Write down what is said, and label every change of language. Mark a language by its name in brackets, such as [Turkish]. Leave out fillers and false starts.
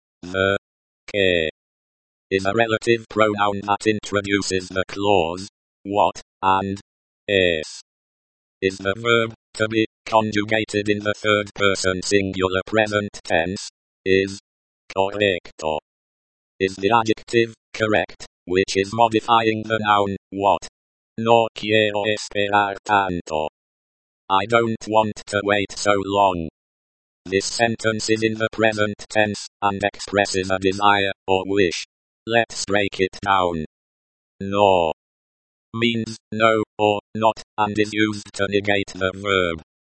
[English] The que is a relative pronoun that introduces the clause, what, and es. Is the verb, to be conjugated in the third person singular present tense is correcto. Is the adjective correct, which is modifying the noun, what? [Spanish] No quiero esperar tanto. [English] I don't want to wait so long. This sentence is in the present tense and expresses a desire or wish. Let's break it down. No means no or not and is used to negate the verb.